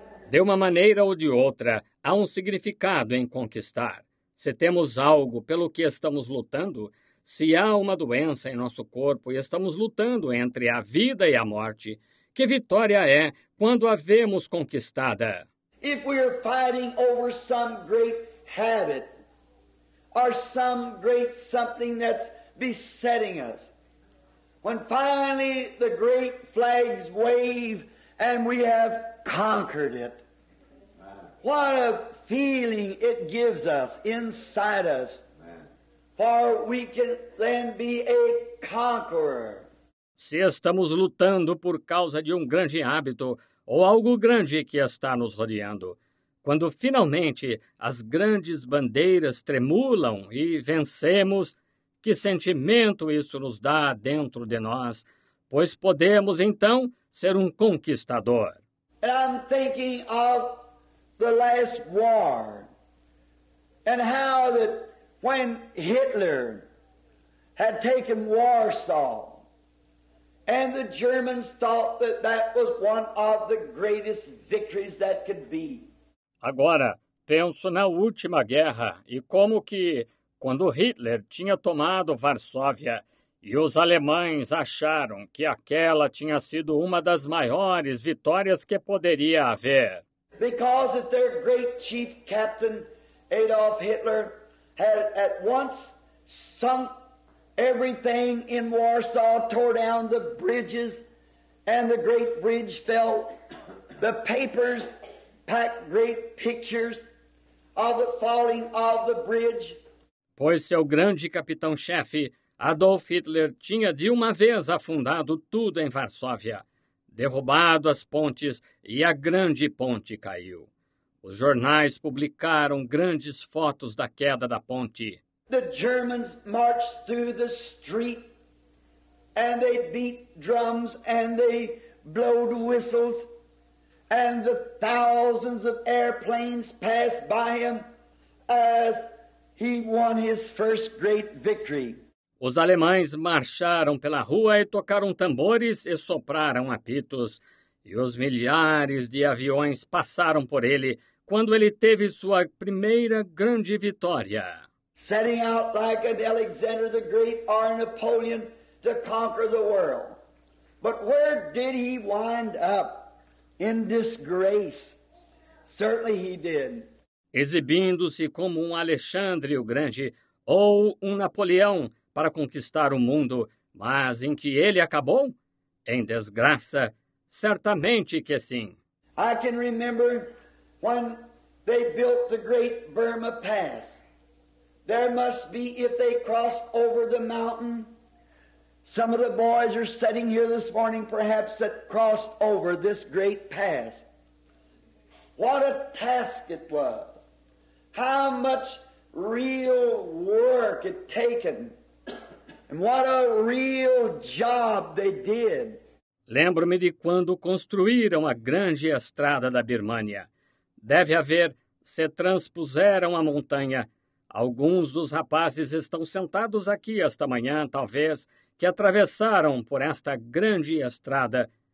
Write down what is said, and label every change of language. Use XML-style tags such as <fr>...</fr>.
<pt>De uma maneira ou de outra, há um significado em conquistar. Se temos algo pelo que estamos lutando, se há uma doença em nosso corpo e estamos lutando entre a vida e a morte, que vitória é quando a vemos conquistada?</pt> <en>If we are fighting over some great habit or some great something that's besetting us, when finally the great flags wave and we have conquered it, what a feeling it gives us inside us, for we can then be a conqueror.</en> <pt>Se estamos lutando por causa de um grande hábito ou algo grande que está nos rodeando, quando finalmente as grandes bandeiras tremulam e vencemos, que sentimento isso nos dá dentro de nós, pois podemos então ser um conquistador.</pt> <en>I'm thinking of the last war and how that when Hitler had taken Warsaw, and the Germans thought that that was one of the greatest victories that could be.</en> <pt>Agora, penso na última guerra e como que, quando Hitler tinha tomado Varsóvia e os alemães acharam que aquela tinha sido uma das maiores vitórias que poderia haver.</pt> <en>Because of their great chief captain, Adolf Hitler, had at once sunk everything in Warsaw, tore down the bridges, and the great bridge fell. The papers packed great pictures of the falling of the bridge.</en> <pt>Pois seu grande capitão-chefe, Adolf Hitler, tinha de uma vez afundado tudo em Varsóvia, derrubado as pontes e a grande ponte caiu. Os jornais publicaram grandes fotos da queda da ponte.</pt> <en>The Germans marched through the street and they beat drums and they blowed whistles and the thousands of airplanes passed by him as he won his first great victory.</en> <pt>Os alemães marcharam pela rua e tocaram tambores e sopraram apitos e os milhares de aviões passaram por ele quando ele teve sua primeira grande vitória.</pt> <en>Setting out like an Alexander the Great or Napoleon to conquer the world. But where did he wind up? In disgrace. Certainly he did.</en> <pt>Exibindo-se como um Alexandre o Grande ou um Napoleão para conquistar o mundo, mas em que ele acabou? Em desgraça. Certamente que sim.</pt> <en>I can remember when they built the great Burma Pass. There must be, if they cross over the mountain, some of the boys are sitting here this morning, perhaps, that crossed over this great pass. What a task it was! How much real work it taken! And what a real job they did!</en> <pt>Lembro-me de quando construíram a grande estrada da Birmânia. Deve haver, se transpuseram a montanha. Alguns dos rapazes estão sentados aqui esta manhã, talvez, que atravessaram por esta grande estrada.</pt>